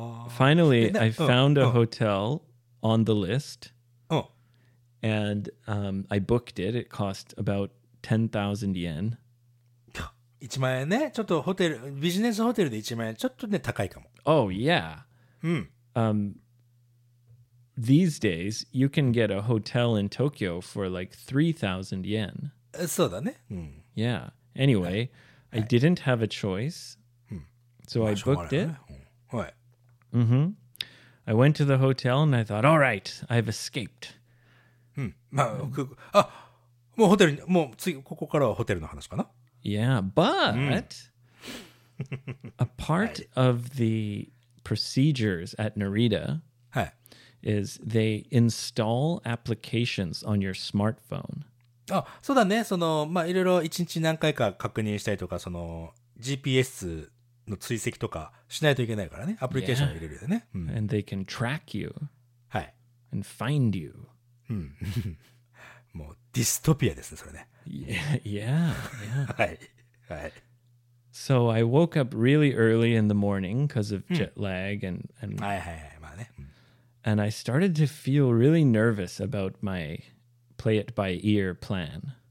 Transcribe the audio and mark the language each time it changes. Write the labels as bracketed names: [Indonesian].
[English] Finally, I found a hotel on the list. Oh. And I booked it. It cost about 10,000 yen. [Japanese] 1万円ね。ちょっとホテル、ビジネスホテルで1万円。ちょっとね、高いかも。 [English] Oh, yeah. [Japanese] うん。 [English] These days, you can get a hotel in Tokyo for like 3,000 yen. [Japanese] そうだね。うん、 [English] yeah. Anyway,、はい、I didn't have a choice.、 [Japanese] うん、 [English] so I booked it.、 [Japanese] はい mm-hmm. [English] I went to the hotel and I thought, all right, I've escaped.、 [Japanese] うんまあ、あ、もうホテルに、もう次、ここからはホテルの話かな? [English] Yeah, but、うん、 A part of the procedures at Narita is they install applications on your smartphone. [Japanese] あ、そうだね。その、まあ、いろいろ一日何回か確認したりとか、その、GPS の追跡とかしないといけないからね。アプリケーションを入れるよね。 [English] Yeah. うん、and they can track you. [Japanese] はい。 [English] and find you. [Japanese] うん。もう、ディストピアですね、それね。 [English] Yeah, yeah. yeah. [Japanese] はい。はい。 [English] So I woke up really early in the morning because of jet lag and [Japanese] はいはいはい、まあね。 [English] And I started to feel really nervous about my play it by ear plan.